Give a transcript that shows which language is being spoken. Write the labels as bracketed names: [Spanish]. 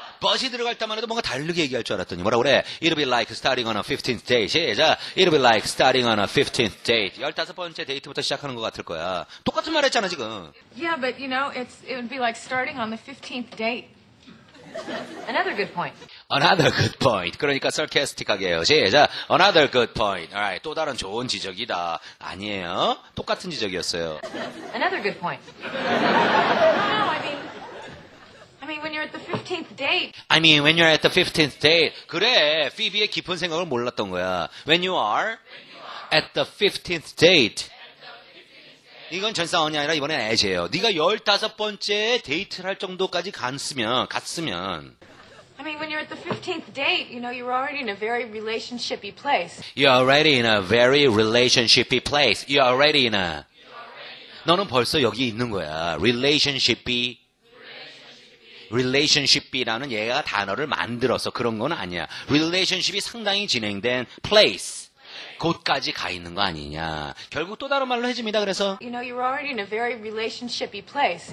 [Korean] But이 들어갈 때만 해도 뭔가 다르게 얘기할 줄 알았더니 뭐라 그래? [English] It'll be like starting on a 15th date. [Korean] 시작. [English] It'll be like starting on a 15th date. [Korean] 15번째 데이트부터 시작하는 것 같을 거야. 똑같은 말 했잖아, 지금. [English] Yeah, but you know, it would be like starting on the 15th date. Another good point. Another good point. [Korean] 그러니까 sarcastic하게요. 시작. [English] Another good point. Alright. [Korean] 또 다른 좋은 지적이다. 아니에요. 똑같은 지적이었어요. [English] Another good point. When you're at the 15th date. I mean, when you're at the 15th date. [Korean] 그래, 피비의 깊은 생각을 몰랐던 거야. [English] When you are at the 15th date. [Korean] 이건 전사원이 아니라 이번엔 애제예요. 네가 15번째 데이트를 할 정도까지 갔으면. [English] I mean, when you're at the 15th date, you know, you're already in a very relationship-y place. You're already in a very relationship-y place. You're already in a. [Korean] 너는 벌써 여기 있는 거야. Relationship-y. Relationship이라는 얘가 단어를 만들어서 그런 건 아니야. Relationship이 상당히 진행된 place. 곳까지 가 있는 거 아니냐. 결국 또 다른 말로 해줍니다. 그래서 [English] You know, you're already in a very relationship-y place.